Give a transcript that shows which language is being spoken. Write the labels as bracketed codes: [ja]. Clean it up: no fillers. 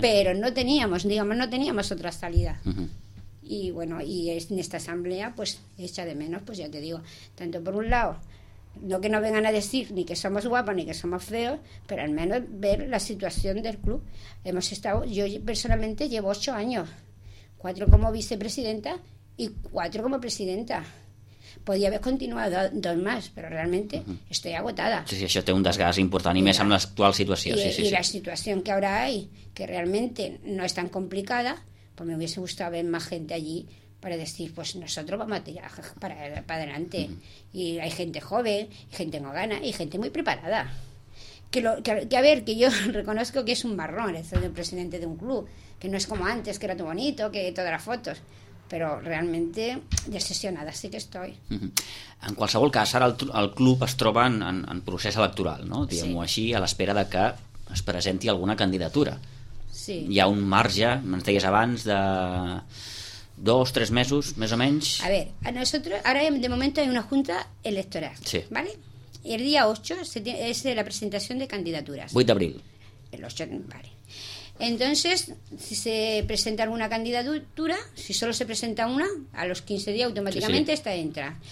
[es] Pero no teníamos, digamos, no teníamos otra salida. Uh-huh. Y bueno, y en esta asamblea, pues, echa de menos, pues ya te digo, tanto por un lado, no que nos vengan a decir ni que somos guapos ni que somos feos, pero al menos ver la situación del club. Hemos estado, yo personalmente llevo 8 años, 4 como vicepresidenta y 4 como presidenta. Podía haber continuado 2 más, pero realmente estoy agotada. [ca] Sí, sí, això té un desgast important, i més amb l'actual situació. I la situació que ara hi ha, que realment no és tan complicada, [es] pues me hubiese gustado ver más gente allí para decir, pues nosotros vamos a tirar para adelante. Y hay gente joven, gente con ganas y gente muy preparada. Que yo reconozco que es un marrón el ser presidente de un club, que no es como antes, que era todo bonito, que todas las fotos, pero realmente decepcionada sí que estoy. [ca] En qualsevol cas, ara el club es troba en procés electoral, no? Diguem-ho així, a l'espera de que es presenti alguna candidatura. Sí. Hi ha un marge, me'n deies abans, de 2-3 mesos, més o menys. [es] A ver, a nosotros, ahora de momento hay una junta electoral, sí. ¿Vale? Y el día 8 es la presentación de candidaturas. 8 de abril. El 8, vale. Entonces, si se presenta alguna candidatura, si solo se presenta una, a los 15 días automáticamente sí, sí. Esta entra.